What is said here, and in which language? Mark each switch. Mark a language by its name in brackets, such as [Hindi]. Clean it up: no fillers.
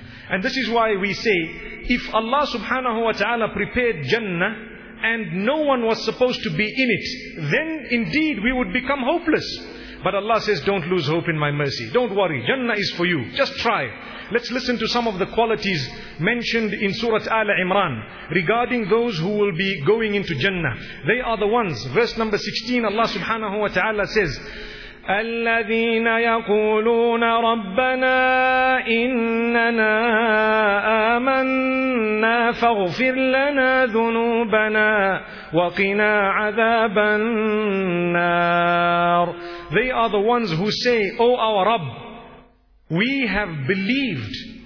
[English] And this is why we say, if Allah subhanahu wa ta'ala prepared Jannah and no one was supposed to be in it, then indeed we would become hopeless. But Allah says, don't lose hope in my mercy. Don't worry, Jannah is for you. Just try. Let's listen to some of the qualities mentioned in Surah Al-Imran regarding those who will be going into Jannah. They are the ones. Verse number 16, Allah subhanahu wa ta'ala says, [Arabic] الذين يقولون ربنا إننا آمنا فاغفر لنا ذنوبنا وقنا عذاب النار. [English] They are the ones who say, oh our Rabb, we have believed.